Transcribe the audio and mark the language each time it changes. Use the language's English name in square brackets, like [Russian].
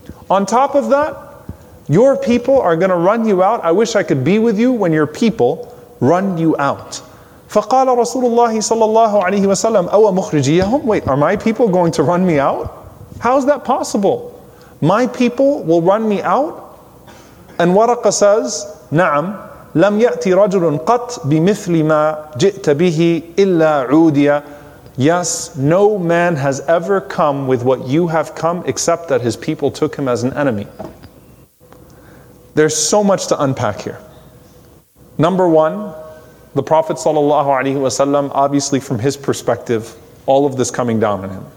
[English] On top of that, your people are going to run you out. I wish I could be with you when your people run you out. [Arabic] فَقَالَ رَسُولُ اللَّهِ صَلَى اللَّهُ عَلَيْهِ وَسَلَّمُ أَوَ مُخْرِجِيَهُمْ. [English] Wait, are my people going to run me out? How is that possible? My people will run me out? And Waraqa says, [Arabic] نَعَمْ لَمْ يَأْتِ رَجُلٌ قَطْ بِمِثْلِ مَا جِئْتَ بِهِ إِلَّا عُودِيَ. [English] Yes, no man has ever come with what you have come except that his people took him as an enemy. There's so much to unpack here. Number one, the Prophet sallallahu alaihi wasallam, obviously from his perspective, all of this coming down on him.